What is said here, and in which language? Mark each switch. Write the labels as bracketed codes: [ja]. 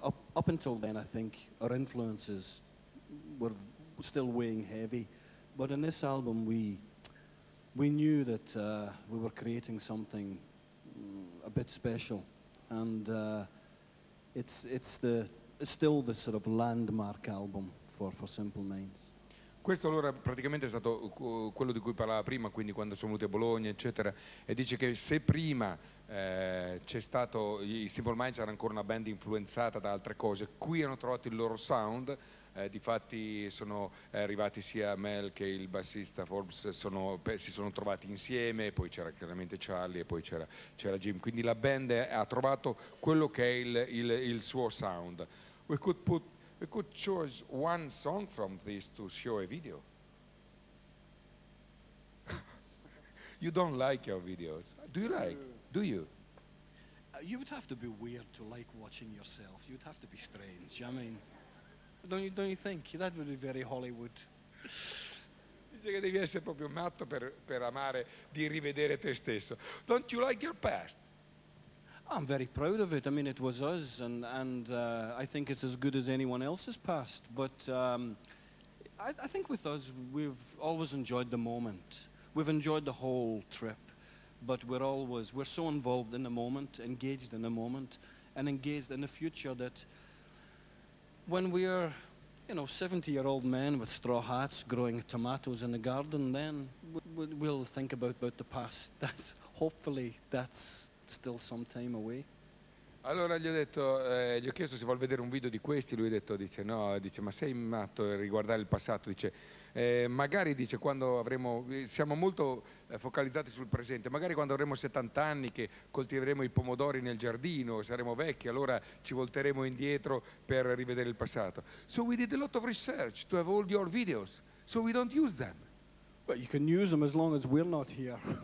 [en] Up until then, I think our influences were still weighing heavy, but in this album, we knew that we were creating something a bit special, and it's still the sort of landmark album for Simple Minds. [it] Questo allora praticamente è stato quello di cui parlava prima, quindi quando sono venuti a Bologna, eccetera, e dice che se prima c'è stato, i Simple Minds era ancora una band influenzata da altre cose, qui hanno trovato il loro sound. Difatti sono arrivati sia Mel che il bassista Forbes, si sono trovati insieme, poi c'era chiaramente Charlie e poi c'era Jim, quindi la band ha trovato quello che è il suo sound. [en] We could choose one song from this to show a video. You don't like your videos, do you? Like, do you? You would have to be weird to like watching yourself. You'd have to be strange. I mean, Don't you think that would be very Hollywood? [it] Dice che devi essere proprio matto per amare di rivedere te stesso. [en] Don't you like your past? I'm very proud of it. I mean, it was us, and I think it's as good as anyone else's past. But I think with us, we've always enjoyed the moment. We've enjoyed the whole trip. but we're so involved in the moment, engaged in the moment, and engaged in the future that when we are, you know, 70-year-old men with straw hats growing tomatoes in the garden, then we'll think about the past. That's hopefully that's still some time away. [it] Allora gli ho detto, gli ho chiesto se vuol vedere un video di questi, lui ha detto, dice no, dice ma sei matto a riguardare il passato, dice magari, dice, quando avremo, siamo molto focalizzati sul presente, magari quando avremo 70 anni che coltiveremo i pomodori nel giardino, saremo vecchi, allora ci volteremo indietro per rivedere il passato. [en] So we did a lot of research to have all your videos, so we don't use them. You can use them as long as we're not here.